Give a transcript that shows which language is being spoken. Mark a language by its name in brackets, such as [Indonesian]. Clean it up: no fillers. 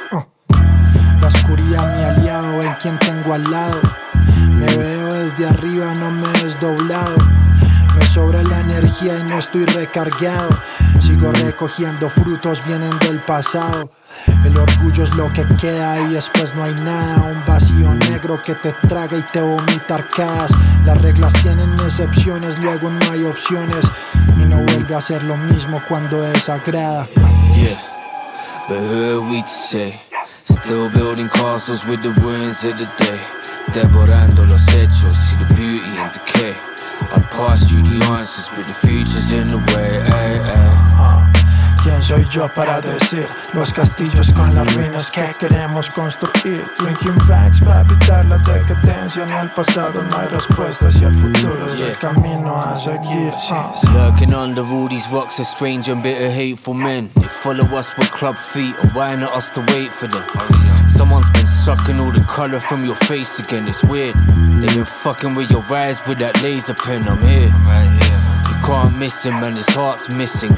[Spanish] La oscuridad mi aliado, en quien tengo al lado, me veo desde arriba, no me he desdoblado, me sobra la energía y no estoy recargado, sigo recogiendo frutos, vienen del pasado. El orgullo es lo que queda y después no hay nada, un vacío negro que te traga y te vomita arcadas. Las reglas tienen excepciones, luego no hay opciones, y no vuelve a ser lo mismo cuando desagrada. [English] Yeah, but heard we say, still building castles with the ruins of the day, [Spanish] devorando los hechos y [English] the beauty and decay. I passed you the answers, but the future's in the way, ay, ay. [Spanish] ¿Quién soy yo para decir? Los castillos con las ruinas que queremos construir. [English] Drinking facts [Spanish] para evitar la decadencia. En el pasado no hay respuestas y el futuro es el camino a seguir. [English] Lurking under all these rocks are strange and bitter hateful men. They follow us with club feet and why not us to wait for them? Someone's been sucking all the color from your face again, it's weird. They've been fucking with your eyes with that laser pen, I'm here. Can't miss him, man, his heart's missing.